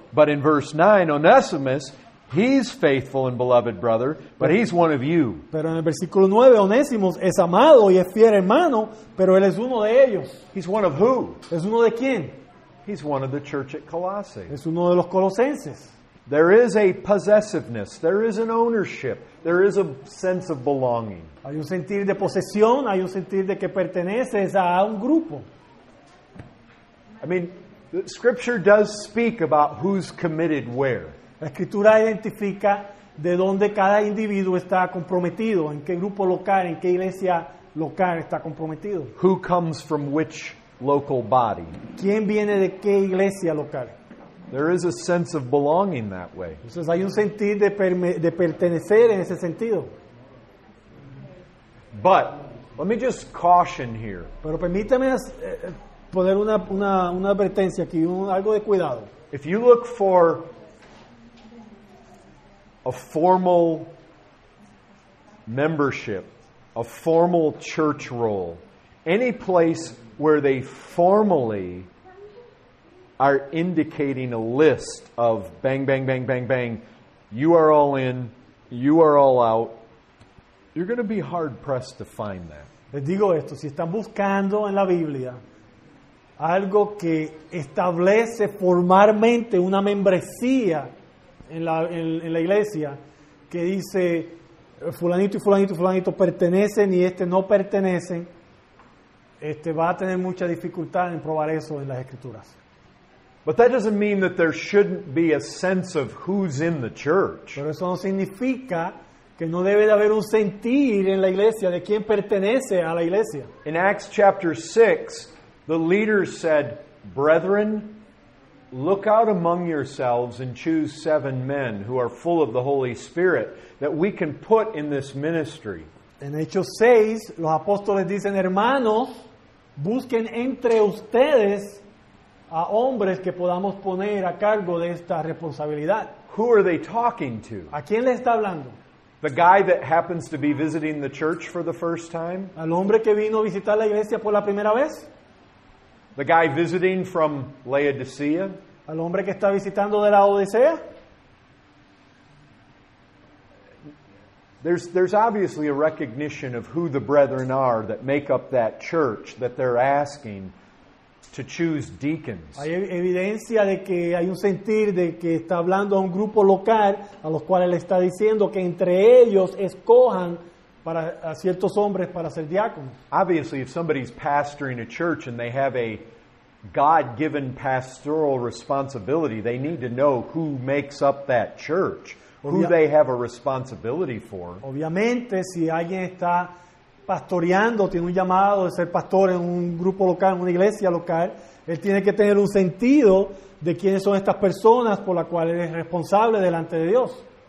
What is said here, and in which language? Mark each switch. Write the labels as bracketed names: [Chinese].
[English] But in verse 9, Onesimus, he's faithful and beloved brother, but he's one of you. [Spanish] Pero en el versículo 9, Onésimos es amado y es fiel hermano, pero él es uno de ellos. [English] He's one of who? [Spanish] ¿Es uno de quién? [English] He's one of the church at Colossae. [Spanish] Es uno de los colosenses. [English] There is a possessiveness. There is an ownership. There is a sense of belonging. [Spanish] Hay un sentir de posesión. Hay un sentir de que perteneces a un grupo. [English] I mean, the Scripture does speak about who's committed where. [Spanish] La Escritura identifica de dónde cada individuo está comprometido, en qué grupo local, en qué iglesia local está comprometido. [English] Who comes from which local body? [Spanish] ¿Quién viene de qué iglesia local? [English] There is a sense of belonging that way. [Spanish] Entonces hay un sentir de pertenecer en ese sentido. [English] But, let me just caution here. [Spanish] Pero permítame poner una advertencia aquí, algo de cuidado. [English] If you look for a formal membership, a formal church role, any place where they formally are indicating a list of bang, bang, bang, bang, bang, you are all in, you are all out, you're going to be hard-pressed to find that. [Spanish] Les digo esto, si están buscando en la Biblia algo que establece formalmente una membresía en la iglesia que dice fulanito y fulanito y fulanito pertenecen y este no pertenecen, va a tener mucha dificultad en probar eso en las Escrituras. [English] But that doesn't mean that there shouldn't be a sense of who's in the church. [Spanish] Pero eso no significa que no debe de haber un sentir en la iglesia de quién pertenece a la iglesia. [English] In Acts chapter 6, the leaders said, brethren, look out among yourselves and choose 7 men who are full of the Holy Spirit that we can put in this ministry. [Spanish] En Hechos 6, los apóstoles dicen, hermanos, busquen entre ustedes a hombres que podamos poner a cargo de esta responsabilidad. [English] Who are they talking to? [Spanish] ¿A quién le está hablando? [English] The guy that happens to be visiting the church for the first time? [Spanish] ¿Al hombre que vino a visitar la iglesia por la primera vez? [English] The guy visiting from Laodicea? [Spanish] ¿Al hombre que está visitando de la Odisea? [English] There's obviously a recognition of who the brethren are that make up that church that they're asking to choose deacons. [Spanish] Hay evidencia de que hay un sentir de que está hablando a un grupo local a los cuales le está diciendo que entre ellos escojan para a ciertos hombres para ser diáconos. [English] Obviously, if somebody's pastoring a church and they have a God-given pastoral responsibility, they need to know who makes up that church, who they have a responsibility for. [Spanish] Obviamente, si alguien está pastoreando, tiene un llamado de ser pastor en un grupo local, en una iglesia local, él tiene que tener un sentido de quiénes son estas personas por las cuales es responsable delante de Dios.